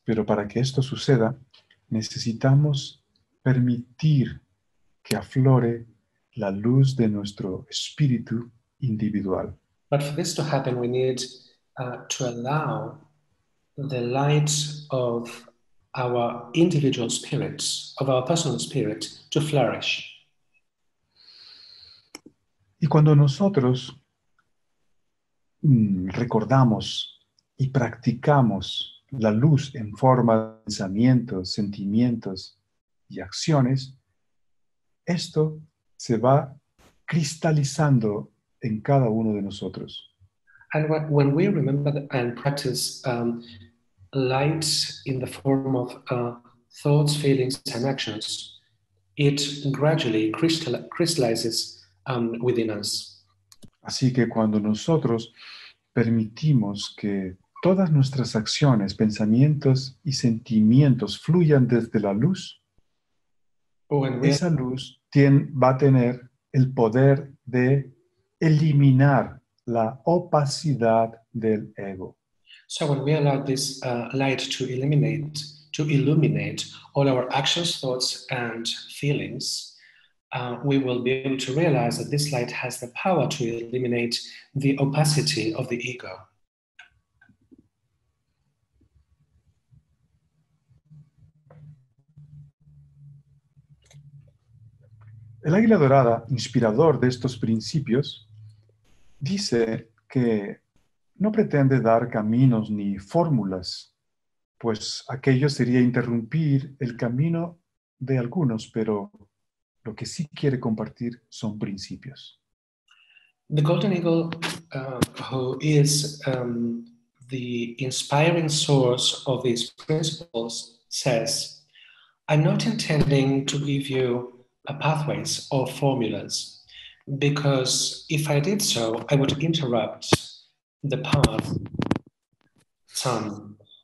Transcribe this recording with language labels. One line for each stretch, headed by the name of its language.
Spanish: Pero para que esto suceda, necesitamos permitir que aflore la luz de nuestro espíritu individual.
English: But for this to happen, we need to allow the light of our individual spirits, of our personal spirit, to flourish.
Spanish: Y cuando nosotros recordamos y practicamos la luz en forma de pensamientos, sentimientos y acciones, esto se va cristalizando en cada uno de nosotros.
English: And when we remember and practice light in the form of thoughts, feelings, and actions, it gradually crystallizes within us.
Spanish: Así que cuando nosotros permitimos que todas nuestras acciones, pensamientos y sentimientos fluyan desde la luz, esa luz va a tener el poder de eliminar la opacidad del ego.
English: So when we allow this light to illuminate all our actions, thoughts, and feelings, we will be able to realize that this light has the power to eliminate the opacity of the ego.
Spanish: El águila dorada, inspirador de estos principios, dice que no pretende dar caminos ni fórmulas, pues aquello sería interrumpir el camino de algunos, pero lo que sí quiere compartir son principios.
English: The Golden Eagle, who is the inspiring source of these principles, says, "I'm not intending to give you pathways or formulas, because if I did so, I would interrupt the path some.